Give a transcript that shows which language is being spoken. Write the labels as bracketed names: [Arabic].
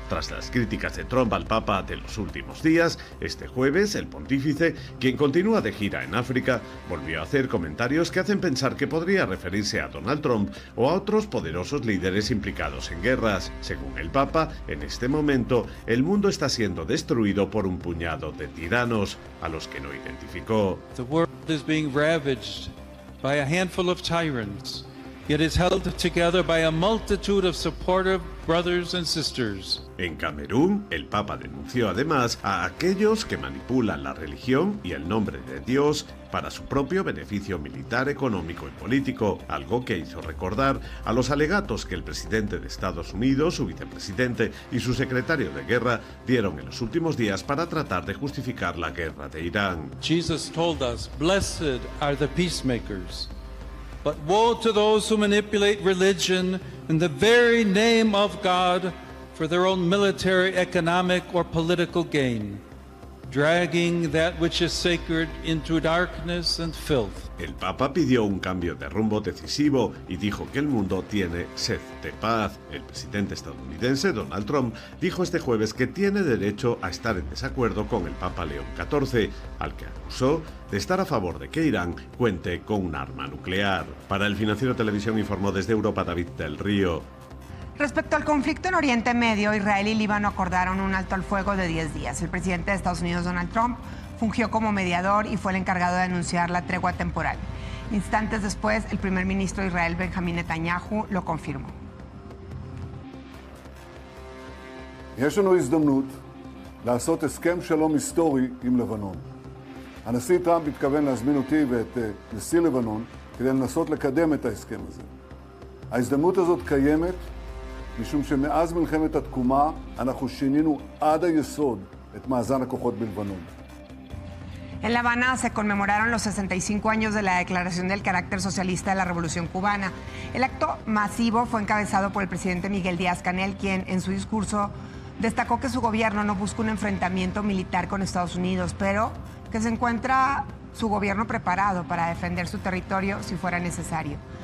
[Spanish] Tras las críticas de Trump al Papa de los últimos días, este jueves el pontífice, quien continúa de gira en África, volvió a hacer comentarios que hacen pensar que podría referirse a Donald Trump o a otros poderosos líderes implicados en guerras. Según el Papa, en este momento el mundo está siendo destruido por un puñado de tiranos a los que no identificó. [English] The world is being ravaged by a handful of tyrants. It is held together by a multitude of supportive brothers and sisters. [Spanish] En Camerún, el Papa denunció además a aquellos que manipulan la religión y el nombre de Dios para su propio beneficio militar, económico y político, algo que hizo recordar a los alegatos que el presidente de Estados Unidos, su vicepresidente y su secretario de guerra dieron en los últimos días para tratar de justificar la guerra de Irán. [English] Jesus told us, "Blessed are the peacemakers." But woe to those who manipulate religion in the very name of God for their own military, economic, or political gain. dragging that which is sacred into darkness and filth. [Spanish] El Papa pidió un cambio de rumbo decisivo y dijo que el mundo tiene sed de paz. El presidente estadounidense Donald Trump dijo este jueves que tiene derecho a estar en desacuerdo con el Papa León XIV, al que acusó de estar a favor de que Irán cuente con un arma nuclear. Para El Financiero Televisión informó desde Europa David del Río. Respecto al conflicto en Oriente Medio, Israel y Líbano acordaron un alto al fuego de 10 días. El presidente de Estados Unidos, Donald Trump, fungió como mediador y fue el encargado de anunciar la tregua temporal. Instantes después, el primer ministro de Israel, Benjamín Netanyahu, lo confirmó. Hay una oportunidad de hacer un esquema de shalom histórico con Lebanon. El presidente Trump se refiere a la invitación y al presidente Lebanon para intentar lograr este esquema. La oportunidad existe [Hebrew] משום שמאז מלחמת התקומה אנחנו שינינו עד היסוד את מאזן הכוחות בלבנון. [Spanish] En La Habana se conmemoraron los 65 años de la declaración del carácter socialista de la Revolución Cubana. El acto masivo fue encabezado por el presidente Miguel Díaz-Canel, quien en su discurso destacó que su gobierno no busca un enfrentamiento militar con Estados Unidos, pero que se encuentra su gobierno preparado para defender su territorio si fuera necesario.